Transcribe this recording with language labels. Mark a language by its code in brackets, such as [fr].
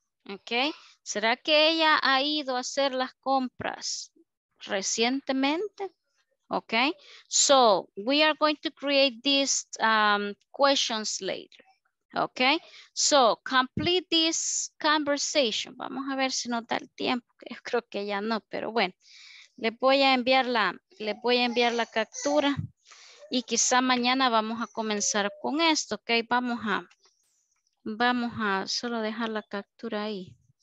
[es] Okay, ¿será que ella ha ido a hacer las compras recientemente? [en] Okay, so we are going to create these questions later. Okay, so complete this conversation. [es] Vamos a ver si nos da el tiempo. Creo que ya no, pero bueno, les voy a enviar la captura y quizá mañana vamos a comenzar con esto. Okay, vamos a solo dejar la captura ahí.